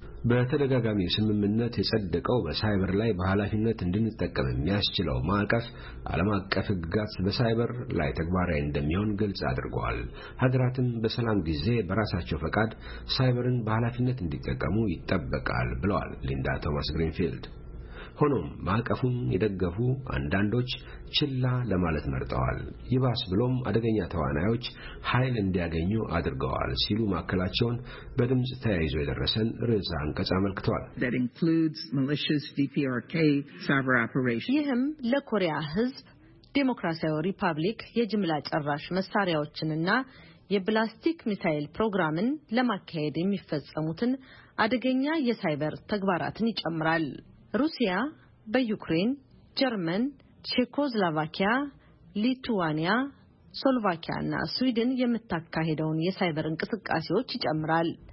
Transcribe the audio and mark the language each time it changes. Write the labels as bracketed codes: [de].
[am] በተደጋጋሚ ስምምነት የጸደቀው በሳይበር ላይ በኃላፊነት እንድንጠቀም የሚያስችለው ማዕቀፍ ዓለም አቀፍ ሕግጋት በሳይበር ላይ ተግባራዊ እንደሚሆን ግልጽ አድርጓል። ሀገራትም በሰላም ጊዜ በራሳቸው ፈቃድ ሳይበርን በኃላፊነት እንዲጠቀሙ ይጠበቃል ብለዋል ሊንዳ ቶማስ ግሪንፊልድ። ሆኖም ማዕቀፉን የደገፉ አንዳንዶች ችላ ለማለት መርጠዋል። ይባስ ብሎም አደገኛ ተዋናዮች ኃይል እንዲያገኙ አድርገዋል ሲሉ ማከላቸውን በድምጽ ተያይዞ የደረሰን ርዕሰ አንቀጽ አመልክቷል። [en] That includes malicious DPRK cyber operations. [am] ይህም ለኮሪያ ህዝብ ዲሞክራሲያዊ ሪፐብሊክ የጅምላ ጨራሽ መሳሪያዎችንና የፕላስቲክ ሚሳኤል ፕሮግራምን ለማካሄድ የሚፈጸሙትን አደገኛ የሳይበር ተግባራትን ይጨምራል። ሩሲያ በዩክሬን፣ ጀርመን፣ ቼኮስሎቫኪያ፣ ሊቱዋኒያ፣ ስሎቫኪያና ስዊድን የምትካሄደውን የሳይበር እንቅስቃሴዎች ይጨምራል።